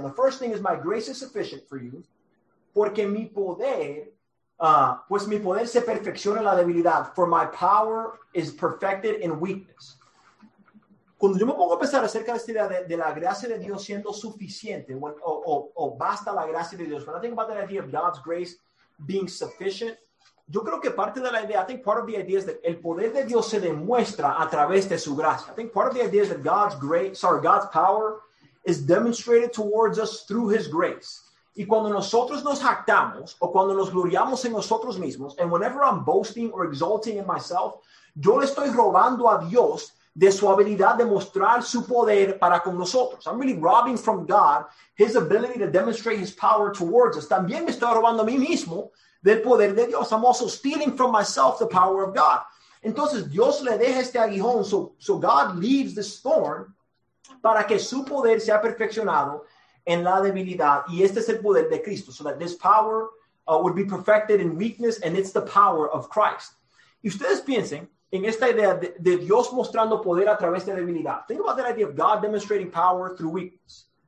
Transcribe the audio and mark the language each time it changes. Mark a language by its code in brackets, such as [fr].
[en] The first thing is my grace is sufficient for you. [es] Porque mi poder... pues mi poder se perfecciona en la debilidad. [en] For my power is perfected in weakness. [es] Cuando yo me pongo a pensar acerca de esta idea de la gracia de Dios siendo suficiente, basta la gracia de Dios. [en] When I think about the idea of God's grace being sufficient, [es] yo creo que parte de la idea, [en] I think part of the idea is that [es] el poder de Dios se demuestra a través de su gracia. [en] I think part of the idea is that God's power is demonstrated towards us through his grace. [es] Y cuando nosotros nos jactamos o cuando nos gloriamos en nosotros mismos, [en] and whenever I'm boasting or exalting in myself, [es] yo le estoy robando a Dios de su habilidad de mostrar su poder para con nosotros. [en] I'm really robbing from God his ability to demonstrate his power towards us. [es] También me estoy robando a mí mismo del poder de Dios. [en] I'm also stealing from myself the power of God. [es] Entonces Dios le deja este aguijón, [en] so God leaves this thorn [es] para que su poder sea perfeccionado en la debilidad, y este es el poder de Cristo, [en] so that this power would be perfected in weakness, and it's the power of Christ. [es] Y ustedes piensen en esta idea de Dios mostrando poder a través de debilidad. [en] Think about that idea of God demonstrating power through weakness.